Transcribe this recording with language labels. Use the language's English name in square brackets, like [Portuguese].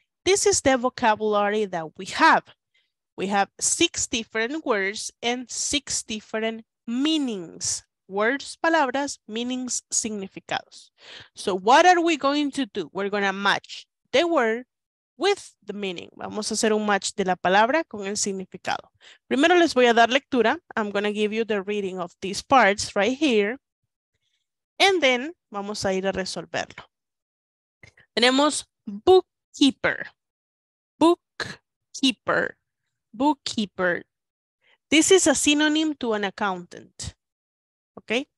[English] This is the vocabulary that we have. We have 6 different words and 6 different meanings. Words, palabras, meanings, significados. So what are we going to do? We're going to match the word with the meaning. [Spanish] Vamos a hacer un match de la palabra con el significado. Primero les voy a dar lectura. [English] I'm going to give you the reading of these parts right here. And then [Spanish] vamos a ir a resolverlo. Tenemos bookkeeper. Bookkeeper, bookkeeper. [English] This is a synonym to an accountant, okay?